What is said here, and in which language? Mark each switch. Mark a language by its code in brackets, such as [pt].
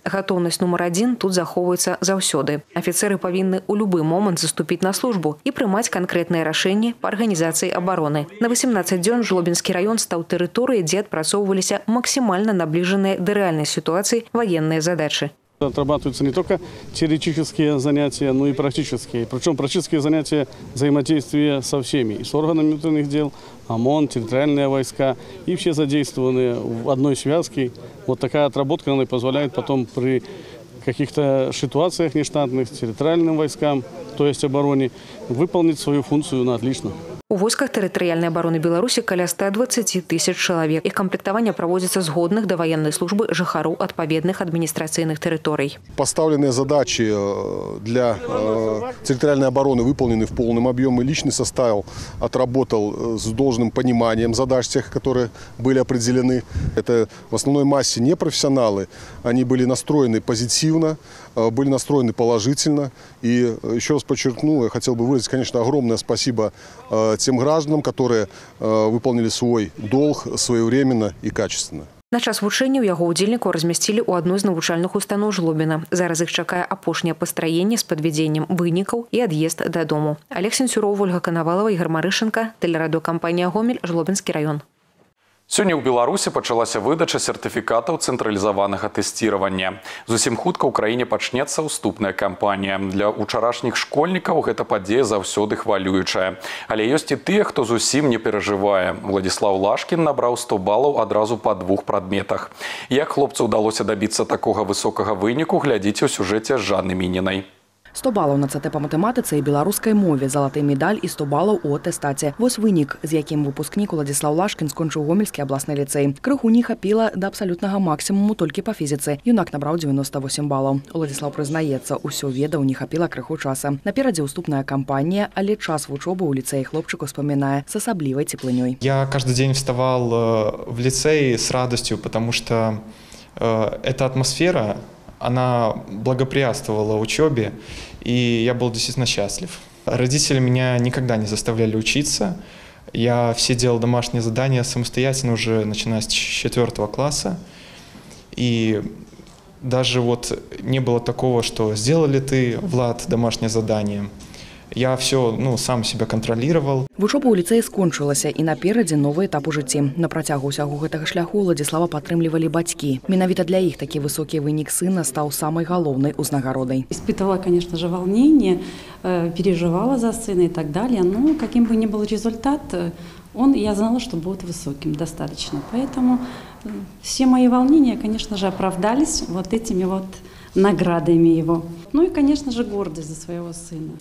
[be] Гатоўнасць нумар адзін тут захоўваецца заўсёды. Афіцэры павінны ў любы момант заступіць на службу і прымаць канкрэтныя рашэнні па арганізацыі абароны. На 18 дзён Жлобінскі раён стаў тэрыторыяй, дзе адпрацоўваліся максімальна набліжаныя да рэальнай сітуацыі ваенныя задачы. [ru] Отрабатываются не только теоретические занятия, но и практические. Причем практические занятия взаимодействия со всеми, и с органами внутренних дел, ОМОН, территориальные войска, и все задействованные в одной связке. Вот такая отработка, она и позволяет потом при каких-то ситуациях нештатных, территориальным войскам, то есть обороне, выполнить свою функцию на отлично. [be] У войсках тэрытарыяльнай абароны Беларусі каля 120 тысяч чалавек. Іх камплектаванне праводзіцца згодных да ваеннай службы жыхароў адпаведных адміністрацыйных тэрыторый. Пастаўленыя задачы для тэрытарыяльнай абароны [ru] выполнены в полным аб'ёме. Лічны составаў адработал з должным паніманнем задач тых, каторыя былі апрадзелены. Это в асноўной масе не прафесіяналы. Они былі настроены пазіцівна, былі настроены палажыцельна. І ещё раз падчеркну, [be] я хацел бы выразіць, [ru] конечно, агромнае спасіба тем гражданам, которые выполнили свой долг своевременно и качественно. [be] На час вучэння ў яго ўдзельнікаў размясцілі ў адной з навучальных устаноў Жлобіна. Зараз іх чакае апошняе пастраенне з падвядзеннем вынікаў і ад'езд дадому. Алег Сенцюроў, Вольга Канавалова, Ігар Марышынка, тэлерадыёкампанія «Гомель», Жлобінскі раён. Сёння ў Беларусі пачалася выдача сертыфікатаў цэнтралізаванага тэсціравання. Зусім хутка ў краіне пачнецца ўступная кампанія. Для ўчарашніх школьнікаў гэта падзея заўсёды хвалюючая. Але ёсць і тыя, хто зусім не перажывае. Владіслаў Лашкін набраў 100 балаў адразу па двух прадметах. Як хлопцу ўдалося дабіцца такога высокага выніку, глядзіце ў сюжэце з Жанны Мінінай. 100 балаў на ЦТ па матэматыцы і беларускай мове, залаты медаль і 100 балаў у атэстаце. Вось вынік, з якім выпускнік Уладзіслаў Лашкін скончыў Гомельскі абласны ліцэй. Крыху не хапіла да абсалютнага максімуму толькі па фізіцы. Юнак набраў 98 балаў. Уладзіслаў прызнаецца, усё ведаў, не хапіла крыху часа. Наперадзе уступная кампанія, але час вучобы ў ліцэі хлопчыку спамінае з асаблівай цеплынёй. Я кожны дзень [ru] вставал в ліцэі з радасцю, потому што эта атмасфера, она благоприятствовала учебе, и я был действительно счастлив. Родители меня никогда не заставляли учиться. Я все делал домашние задания самостоятельно уже начиная с 4 класса. И даже вот не было такого, что сделали ты, Влад, домашнее задание. Я все, ну, сам себя контролировал. [be] Вучоба ў ліцэі скончылася, і наперадзе новы этап у жыцці. На працягу ўсяго гэтага шляху Уладзіслава падтрымлівалі бацькі. Менавіта для іх такі высокі вынік сына стаў самай галоўнай узнагародай. [ru] Испытала, конечно же, волнение, переживала за сына і так далее. Но каким бы ни был результат, Он, я знала, что будет высоким достаточно. Поэтому все мои волнения, конечно же, оправдались вот этими вот наградами его. Ну и, конечно же, гордость за своего сына.